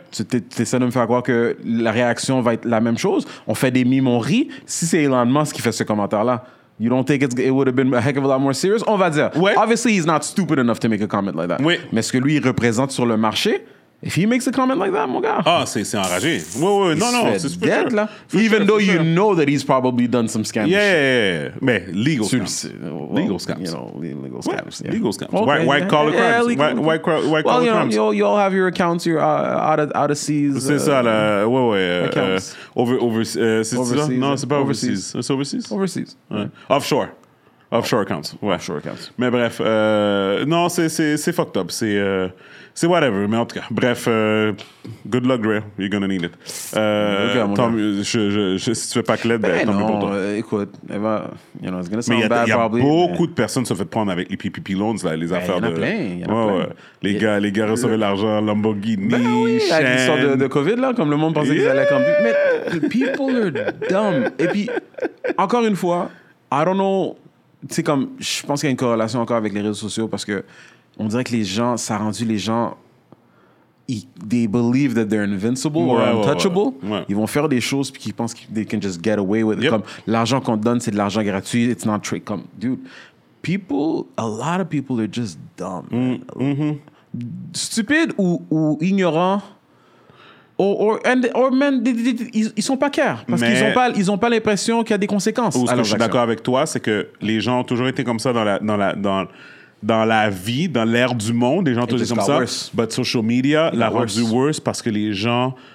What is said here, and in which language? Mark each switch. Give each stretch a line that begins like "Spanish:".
French: T'essaies de me faire croire que la réaction va être la même chose. On fait des mimes, on rit.
English: Si c'est Elon Musk qui fait ce commentaire-là, you don't think it would have been a heck of a lot more serious?
French: On va dire. Ouais.
English: Obviously, he's not stupid enough to make a comment like that.
French: Ouais. Mais ce que lui, il représente sur le marché, if he makes a comment like that, mon gars. Ah, c'est enragé. Oui, non, c'est super.
English: Dead, sure.
French: Là.
English: For even though you sure. Know that he's probably done some scams. Yeah. Mais legal scams. Legal scams. You know, legal scams. Yeah. Legal scams. Okay. White collar crimes. White collar crimes. Well, you all have your accounts, your out of seas.
French: C'est ça, là. Ouais. Overseas. Non, c'est pas overseas. It's overseas?
English: Overseas. Offshore. Offshore accounts. Ouais. Offshore accounts.
French: Mais bref, non, c'est fucked up. C'est whatever, mais en tout cas, bref, good luck, Ray. You're gonna need it. Si tu fais pas que l'aide, ben tant mieux pour toi.
English: Écoute, Eva, you know, it's gonna sound bad, probably.
French: Mais il y a beaucoup de personnes se fait prendre avec les PPP loans, là, les affaires de... Il y en a plein, Les gars recevaient l'argent, Lamborghini, chaîne. Ben oui, l'histoire de COVID, là, comme le monde pensait qu'ils allaient camper. Mais people are dumb. Et puis, encore une fois, I don't know, tu sais, comme, je pense qu'il y a une corrélation encore avec les réseaux sociaux, parce que on dirait que les gens, ça a rendu les gens, they believe that they're invincible or untouchable. Ouais. Ils vont faire des choses puis ils pensent qu'ils can just get away with it.
English: Yep.
French: Comme l'argent qu'on donne, c'est de l'argent gratuit.
English: It's not trick. Comme, dude, a lot of people are just dumb. Mm-hmm.
French: Stupid ou ignorant. Ils sont pas care parce qu'ils ont pas l'impression qu'il y a des conséquences. Ce que je suis d'accord avec toi, c'est que les gens ont toujours été comme ça dans la vie, dans l'ère du monde, les gens tous comme ça.
English: Worse.
French: But social media, la rendu worse parce que les gens